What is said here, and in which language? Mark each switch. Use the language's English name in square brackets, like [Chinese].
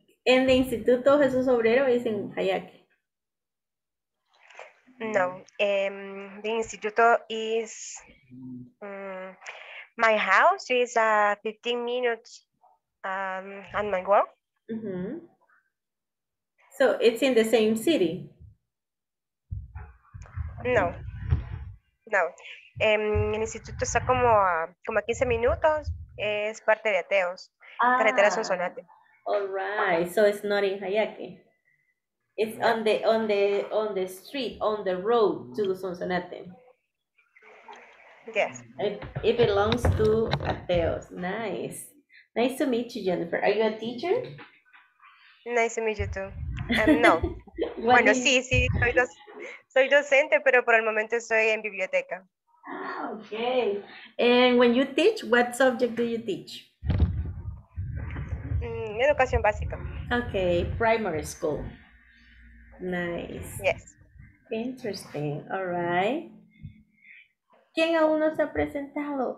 [Spanish] En el Instituto Jesús Obrero es en Hayaque. [English] No, the instituto is my house is 15 minutes and my work. Mm-hmm. So it's in the same city? [Spanish] No, no. El instituto está como a 15 minutos, es parte de Ateos, carretera Sonsonate. [English] All right, so it's not in Hayaque. It's on the street, on the road to Sonsonate. Yes. It belongs to Ateos. Nice. Nice to meet you, Jennifer. Are you a teacher? Nice to meet you too. No. Bueno, is... [Spanish] sí, soy docente, pero por el momento estoy en biblioteca. [English] Ah, okay. And when you teach, what subject do you teach? [Spanish] Educación básica. [English] Okay, primary school. Nice. Yes. Interesting. All right. [Spanish] ¿Quién aún no se ha presentado?